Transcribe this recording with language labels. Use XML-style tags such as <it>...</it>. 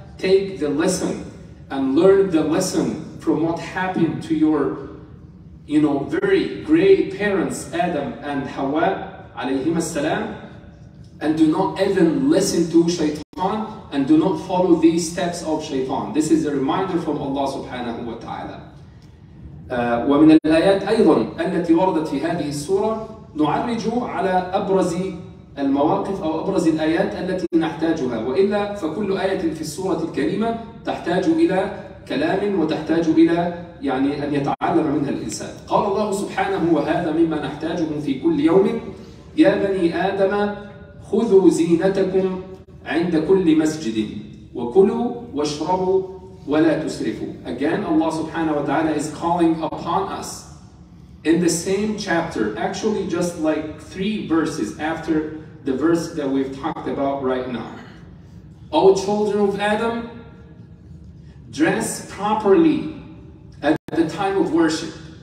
<en>Take the lesson and learn the lesson from what happened to your, you know, very great parents, Adam and Hawa alayhim as-salam. And do not even listen to shaitan and do not follow these steps of shaitan. This is a reminder from Allah subhanahu wa ta'ala.</en> <ar>ومن الآيات أيضا التي وردت في هذه السورة نعرج على أبرز المواقف أو أبرز الآيات التي نحتاجها وإلا فكل آية في السورة الكريمة تحتاج إلى كلام وتحتاج إلى يعني أن يتعلم منها الإنسان. قال الله سبحانه وهذا مما نحتاجه في كل يوم يا بني آدم خذوا زينتكم عند كل مسجد وكلوا واشربوا ولا تسرفوا.</ar> <en>Again, Allah subhanahu wa ta'ala is calling upon us in the same chapter, actually just like three verses after the verse that we've talked about right now. O children of Adam, dress properly at the time of worship.</en>